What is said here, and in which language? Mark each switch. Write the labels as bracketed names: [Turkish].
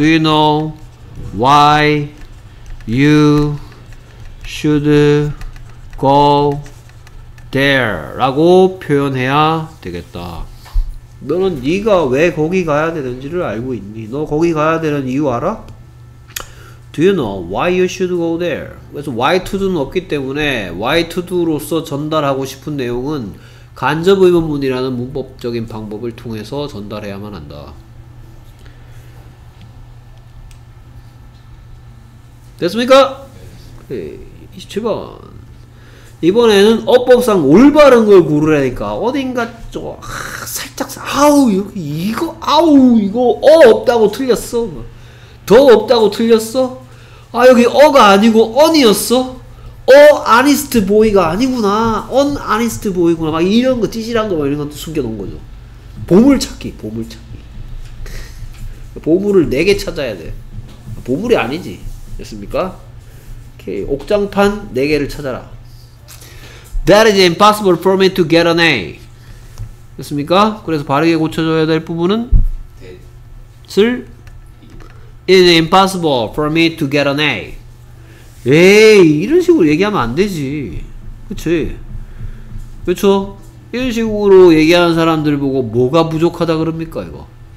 [English] Do you know why you should go there [Korean] 라고 표현해야 되겠다. 너는 네가 왜 거기 가야 되는지를 알고 있니? 너 거기 가야 되는 이유 알아? [English] Do you know why you should go there? [Korean] 그래서 why to do는 없기 때문에 why to do로서 전달하고 싶은 내용은 간접 의문문이라는 문법적인 방법을 통해서 전달해야만 한다. 됐습니까? 오케이. 27번 이번에는 어법상 올바른 걸 고르라니까 어딘가 좀 아, 살짝 아우 이거 아우 이거 어 없다고 틀렸어. 더 없다고 틀렸어. 아 여기 어가 아니고 언이었어. 어 아니스트 보이가 아니구나. 언 아니스트 보이구나. 막 이런 거 찌질한 거 막 이런 것도 숨겨놓은 거죠. 보물찾기. 보물찾기. 보물을 4개 찾아야 돼. 보물이 아니지. 됐습니까? 옥장판 4개를 찾아라. [English] That is impossible for me to get an A. [Korean] 됐습니까? 그래서 바르게 고쳐줘야 될 부분은? [English] 슬? It is impossible for me to get an A. [Korean] 에이 이런 식으로 얘기하면 안 되지. 그치? 그쵸? 이런 식으로 얘기하는 사람들 보고 뭐가 부족하다 그럽니까 이거?